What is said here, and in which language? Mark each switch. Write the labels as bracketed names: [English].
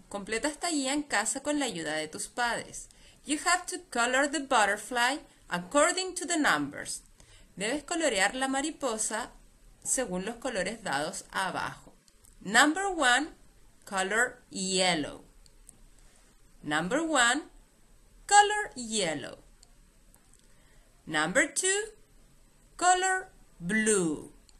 [Spanish] Completa esta guía en casa con la ayuda de tus padres. [English] You have to color the butterfly according to the numbers. [Spanish] Debes colorear la mariposa según los colores dados abajo. [English] Number one, color yellow. Number one, color yellow. Number two, color blue.